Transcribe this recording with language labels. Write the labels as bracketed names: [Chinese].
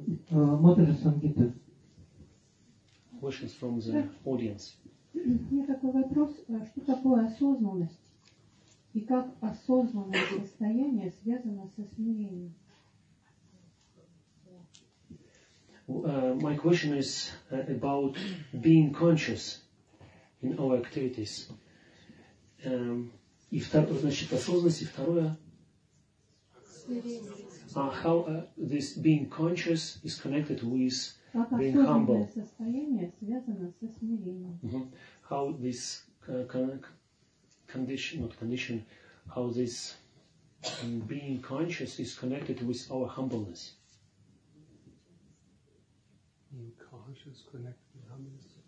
[English] Матриса Сангита. Questions from the audience. [Russian] У меня такой вопрос, что такое осознанность и как осознанное состояние связано со смирением? [English] My question is about being conscious in our activities. [Russian] И второе, значит, осознанность, и второе. Смирение. [English] How this being conscious is connected with being humble. [Russian] Как осознанное состояние связано со смирением? [English] How this condition, not condition, how this being conscious is connected with our humbleness. Being conscious connected with humbleness.